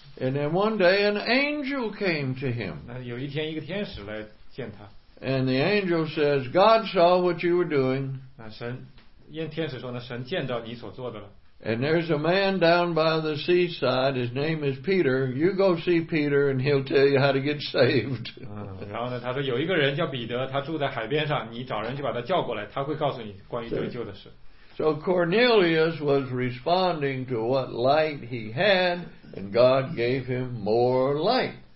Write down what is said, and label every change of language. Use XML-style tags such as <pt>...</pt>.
<en>And then one day an angel came to him.</en> <zh>有一天一个天使来见他。</zh> <en>And the angel says, God saw what you were doing.</en> <zh>天使说呢，神见到你所做的了。</zh> <en>And there's a man down by the seaside, his name is Peter. You go see Peter and he'll tell you how to get saved.</en> <zh>然后呢，他说有一个人叫彼得，他住在海边上，你找人去把他叫过来，他会告诉你关于得救的事。</zh> <en>So Cornelius was responding to what light he had, and God gave him more light.</en>